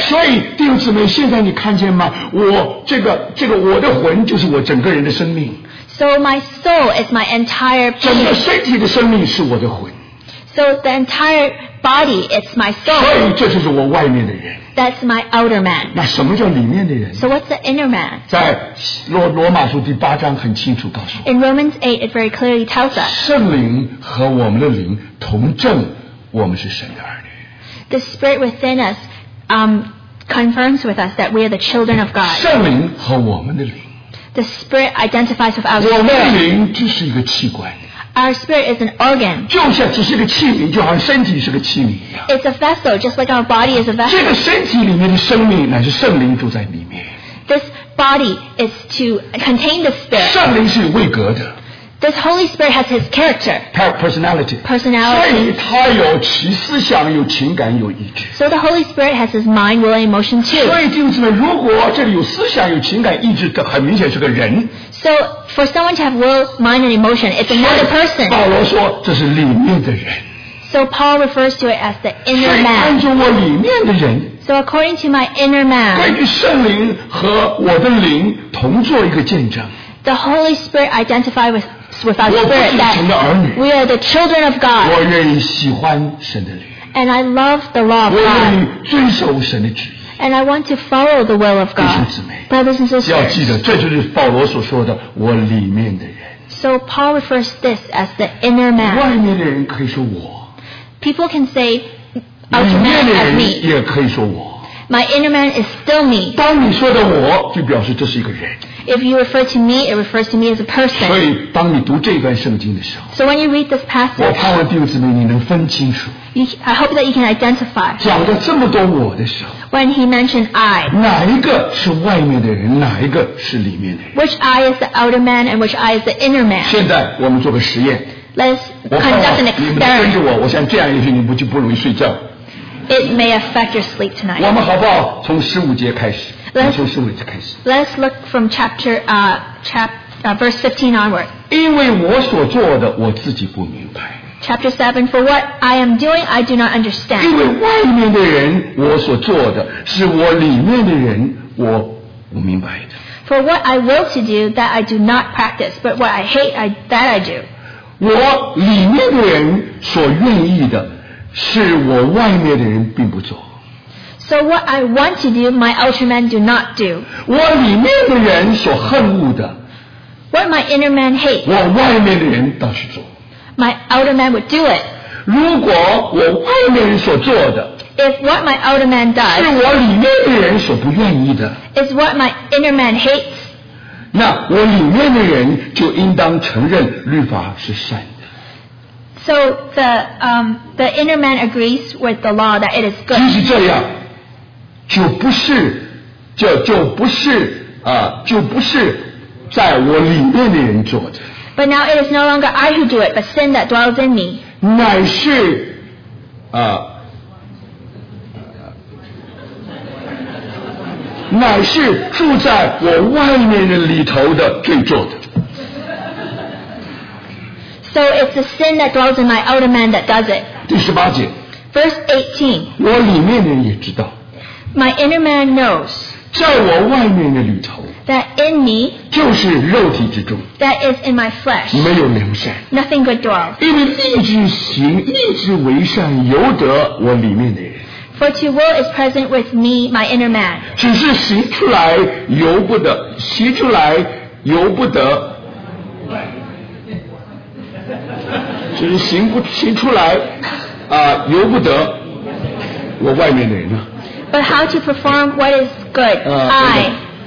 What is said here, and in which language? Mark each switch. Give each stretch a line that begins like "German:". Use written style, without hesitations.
Chinese: 所以弟兄姊妹，现在你看见吗？我这个我的魂就是我整个人的生命。
English: So my soul is my entire.
Chinese: 整个身体的生命是我的魂。
English: So the entire body, it's my soul.
Chinese: 所以这就是我外面的人。
English: That's my outer man.
Chinese: 那什么叫里面的人？
English: So what's the inner man?
Chinese: 在罗马书第八章很清楚告诉我。
English: In Romans 8, it very clearly tells us.
Chinese: 圣灵和我们的灵同证，我们是神的儿女。
English: The spirit within us, confirms with us that we are the children of God.
Chinese: 圣灵和我们的灵。
English: The spirit identifies with our spirit.
Chinese: 我们的灵只是一个器官。
English: Our spirit is an organ.
Chinese: 就像只是个器皿，就好像身体是个器皿一样。
English: It's a vessel, just like our body is a vessel.
Chinese: 这个身体里面的生命乃是圣灵住在里面。
English: This body is to contain the spirit.
Chinese: 圣灵是位格的。
English: This Holy Spirit has His character. Personality. Personality.
Chinese: 所以他有其思想，有情感，有意志。
English: So the Holy Spirit has His mind, will, and emotion too.
Chinese: 所以弟兄姊妹，如果这里有思想、有情感、意志，很明显是个人。
English: So for someone to have will, mind, and emotion, it's another person.
Chinese: 保罗说这是里面的人。
English: So Paul refers to it as the inner man.
Chinese: 所以按照我里面的人。
English: So according to my inner man.
Chinese: 根据圣灵和我的灵同做一个见证。
English: The Holy Spirit identify with our spirit that we are the children of God.
Chinese: 我愿意喜欢神的律。
English: And I love the law of God.
Chinese: 我愿意遵守神的旨意。
English: And I want to follow the will of God.
Chinese: 弟兄姊妹，
English: brothers and sisters,
Chinese: 要记得，这就是保罗所说的我里面的人。
English: So Paul refers this as the inner man.
Chinese: 外面的人可以说我。
English: People can say out of man as me.
Chinese: 也可以说我。
English: My inner man is still me.
Chinese: 当你说的我，就表示这是一个人。
English: If you refer to me, it refers to me as a person.
Chinese: 所以当你读这段圣经的时候
English: ，So when you read this passage,
Chinese: 我盼望弟兄姊妹你能分清楚。
English: I hope that you can identify.
Chinese: 讲了这么多我的时候
English: ，When he mentioned I,
Chinese: 哪一个是外面的人，哪一个是里面的人
English: ？Which I is the outer man and which I is the inner man?
Chinese: 现在我们做个实验。
English: Let's conduct an experiment.
Chinese: 你们跟着我，我想这样一句，你们就不容易睡觉。
English: It may affect your sleep tonight.
Chinese: 我们好不好？从十五节开始。
English: Let's look from verse 15 onward.
Chinese: 因为我所做的我自己不明白。
English: Chapter 7, for what I am doing, I do not understand.
Chinese: 因为外面的人我所做的是我里面的人我不明白的。
English: For what I will to do, that I do not practice, but what I hate, that I do.
Chinese: 我里面的人所愿意的是我外面的人并不做。
English: So what I want to do, my outer man do not do.
Chinese: 我里面的人所恨恶的
English: what my inner man hates,
Chinese: 我外面的人倒是做。
English: My outer man would do it.
Chinese: 如果我外面人所做的
English: if what my outer man does
Chinese: 是我里面的人所不愿意的
English: is what my inner man hates,
Chinese: 那我里面的人就应当承认律法是善的。
English: So the inner man agrees with the law that it is good.
Chinese: 即使这样，就不是，就不是在我里面的人做的。
English: But now it is no longer I who do it, but sin that dwells in me.
Chinese: 乃是，乃是住在我外面的里头的罪做的。
English: So it's the sin that dwells in my outer man that does it.
Chinese: 第十八节。
English: Verse 18.
Chinese: 我里面的人也知道。
English: My inner man knows.
Chinese: 在我外面的里头。
English: That in me,
Chinese: 就是肉体之中,
English: that is in my flesh,
Chinese: 没有良善,
English: nothing good dwells.
Chinese: 因为立志行, 立志为善, 由得我里面的人。
English: For to will is present with me, my inner man.
Chinese: 只是行出来, 由不得, 行出来, 由不得, 只是行不, 行出来, 由不得, 我外面的人呢。
English: But how to perform what is good, I.